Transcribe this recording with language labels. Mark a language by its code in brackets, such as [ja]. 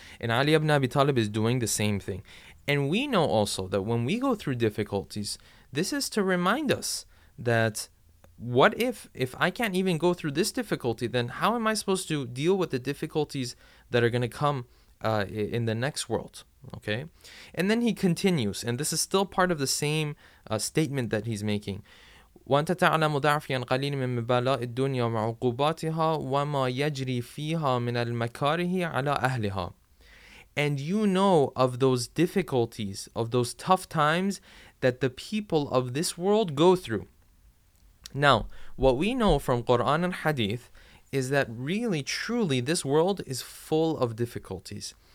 [en] And Ali ibn Abi Talib is doing the same thing. And we know also that when we go through difficulties, this is to remind us that what if I can't even go through this difficulty, then how am I supposed to deal with the difficulties that are going to come in the next world? Okay, and then he continues, and this is still part of the same statement that he's making. [ar] وأنت تعلم ضعفي عن قليل من مبالاة الدنيا وعقوباتها وما يجري فيها من المكاره على أهلها. [en] And you know of those difficulties, of those tough times that the people of this world go through. Now, what we know from Quran and Hadith is that really, truly, this world is full of difficulties.